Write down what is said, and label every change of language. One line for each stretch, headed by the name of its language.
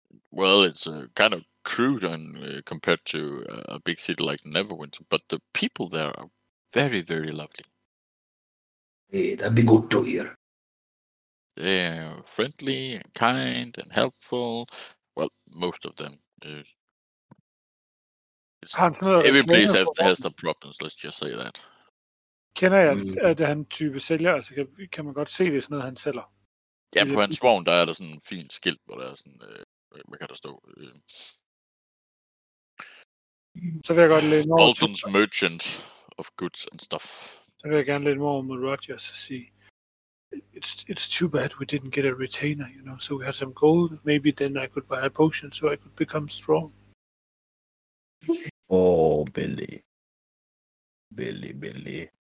English: Well, it's kind of crude compared to a big city like Neverwinter, but the people there are very, very lovely. Hey, that'd be good to hear. They are friendly, kind, and helpful. Well, most of them. Every place has the problems, let's just say that.
Danish: Kender jeg, at han type sælger? Altså, kan man godt se, det er sådan noget, han sælger? Ja, på hans vogn, der er der sådan en fin skilt, hvor der er sådan, hvad kan der stå? Så vil jeg godt læne over.
English: Alton's merchant of goods and stuff.
Danish: Så vil jeg gerne læne over med Rogers og sige,
English: it's too bad we didn't get a retainer, you know, so we had some gold, maybe then I could buy a potion so I could become strong. Oh, Billy. Billy.